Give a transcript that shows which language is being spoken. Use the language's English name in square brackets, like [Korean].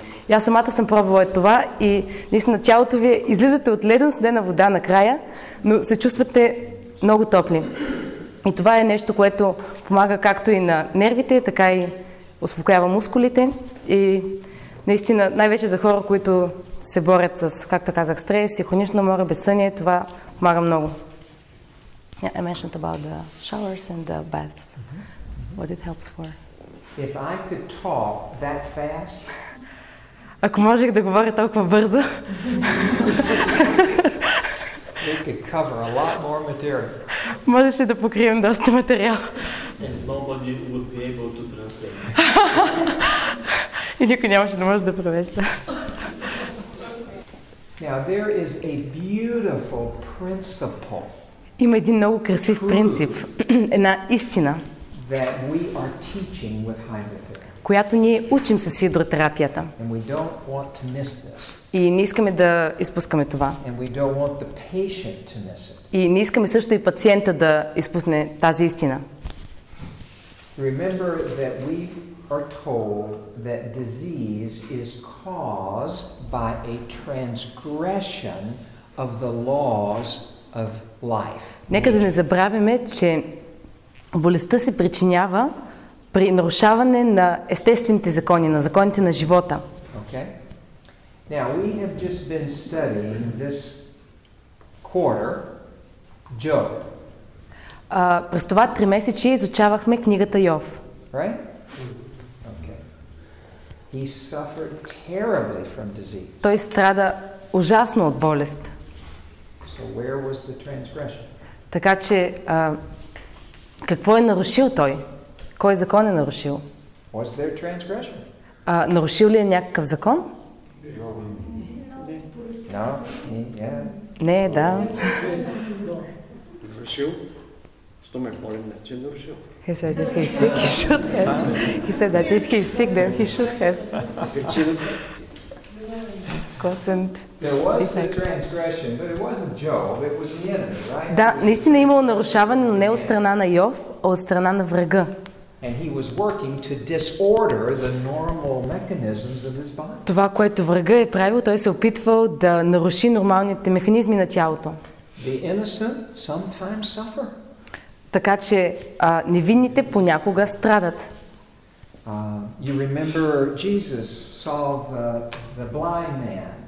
[Bulgarian] И аз самата съм пробвала това и наистина тялото ви излизате от ледено студена вода накрая, но се чувствате много топли. И това е нещо, което помага както и на нервите, така и успокоява мускулите. И наистина, най-вече за хора, които се борят с, както казах, стрес и хронично море, безсъние, това помага много. [English] Yeah, I mentioned about the showers and the baths. What it helps for? If I could talk that fast... [Bulgarian] Ако можех да говоря толкова бързо... [English] We could cover a lot more material. [Bulgarian] Можеше да покрием доста материал. [English] And nobody would be able to translate. [Bulgarian] И никой нямаше да може да превежда. [English] Now there is a beautiful principle. [Bulgarian] Има един много красив принцип, една истина, [English] that we are teaching with hydrotherapy. [Bulgarian] Която ние учим с хидротерапията. [English] And we don't want to miss this. [Bulgarian] И не искаме да изпускаме това. [English] And we don't want the patient to miss it. [Bulgarian] И не искаме също и пациента да изпусне тази истина. [English] Remember that we are told that disease is caused by a transgression of the laws of life. [Bulgarian] Нека да не забравяме, че болестта се причинява при нарушаване на естествените закони, на законите на живота. [English] Okay. Now we have just been studying this quarter, Job. [Bulgarian] През това тримесечие изучавахме книгата Йов. [English] Right? He suffered terribly from disease. [Bulgarian] Той страда ужасно от болест. [English] So where was the transgression? [Bulgarian] Така че какво е нарушил той? Кой закон е нарушил? [English] Was there transgression? [Bulgarian] Нарушил ли е някакъв закон? [English] No. No. Yeah. [Bulgarian] Не, да. Нарушил? Що ме болен начин нарушил? [English] He said if he's sick, he should have. He said that if he's sick, then he should have. Constant. There was the transgression, but it wasn't Job, it was the enemy, right? [Bulgarian] Да, наистина имало нарушаване, но не от страна на Йов, а от страна на врага. [English] And he was working to disorder the normal mechanisms of his body. [Bulgarian] Това, което врага е правил, той се опитвал да наруши нормалните механизми на тялото. [English] The innocent sometimes suffer. [Bulgarian] Така че невинните понякога страдат. [English] You remember Jesus saw the blind man.